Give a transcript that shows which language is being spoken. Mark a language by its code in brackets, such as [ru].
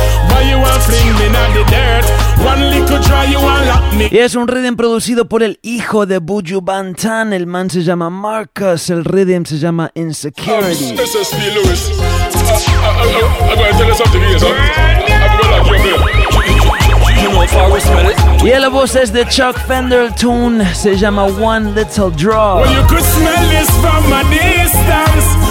[en] Why you want fling me not the dirt? [es] Es un Redem producido por el hijo de Buju Bantan. El man se llama Marcus. El Redem se llama Insecurity. [en] This is SP Lewis. I'm going to tell you something here, son. [es] Y la voz es de Chuck Fender. Tune se llama One Little Draw. [en] Well, you could smell this from a distance.